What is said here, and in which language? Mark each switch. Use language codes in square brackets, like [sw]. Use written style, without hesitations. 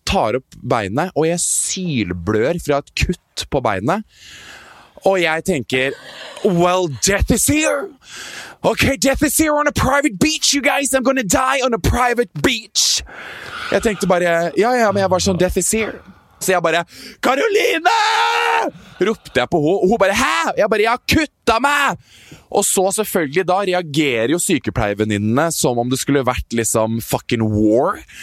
[no] Tar opp beinet, og jeg sylblør fra et kutt på beinet, og jeg tenker, [en] well, death is here! Okay, death is here on a private beach, you guys! I'm gonna die on a private beach! [no] Jeg tenkte bare, ja, ja, men jeg var sånn, [en] death is here. [no] Så jeg bare, Caroline! Ropte jeg på henne, og hun bare, hæ? Jeg bare, jeg har kuttet meg! Og så selvfølgelig da reagerer jo sykepleievenninnene som om det skulle vært liksom [en] fucking war.